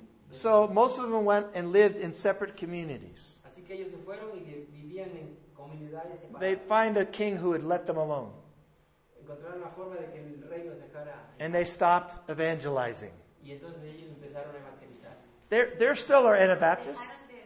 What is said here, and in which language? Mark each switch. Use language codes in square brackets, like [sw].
[en] So most of them went and lived in separate communities. [es] Así que ellos se fueron y vivían en comunidades separadas. [en] They find a king who would let them alone. [es] Encontraron la forma de que el rey los dejara. [en] And they stopped evangelizing. [es] Y entonces ellos empezaron a evangelizar. [en] There still are Anabaptists.